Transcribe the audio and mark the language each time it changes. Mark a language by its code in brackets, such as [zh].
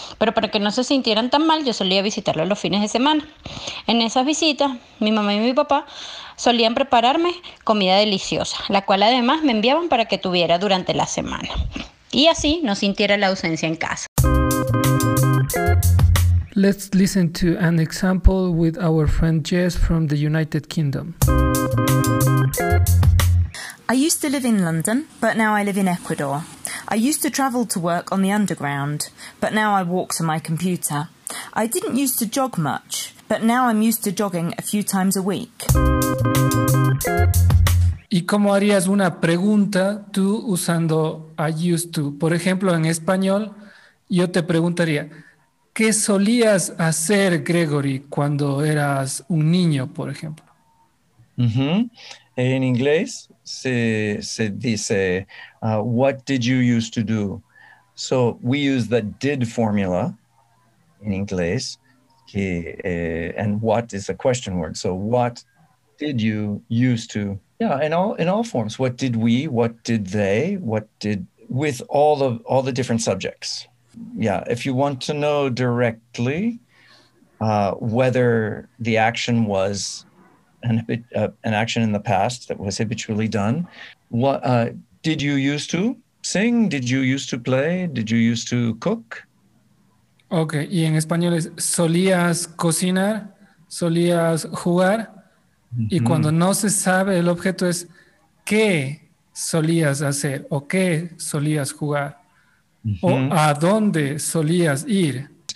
[es] Pero para que no se sintieran tan mal, yo solía visitarlos los fines de semana. En esas visitas, mi mamá y mi papá solían prepararme comida deliciosa, la cual además me enviaban para que tuviera durante la semana. Y así no sintiera la ausencia en casa. [en] Let's listen to an example with our friend Jess from the United Kingdom. I used to live in London, but now I live in Ecuador. I used to travel to work on the underground, but now I walk to my computer. I didn't used to jog much, but now I'm used to jogging a few times a week. [es] ¿Y cómo harías una pregunta tú usando [en] I used to? [es] Por ejemplo, en español, yo te preguntaría, ¿qué solías hacer, Gregory, cuando eras un niño, por ejemplo? En inglés se dice, [en] what did you used to do? So we use the did formula in English, and what is the question word. So what did you used to? Yeah, in all forms, what did we, what did they, what did, with all the different subjects. Yeah, if you want to know directly whether the action was an action in the past that was habitually done, what did you used to sing? Did you used to play? Did you used to cook? [es] Okay, y en español es solías cocinar, solías jugar. Y cuando no se sabe, el objeto es qué solías hacer o qué solías jugar o a dónde solías ir.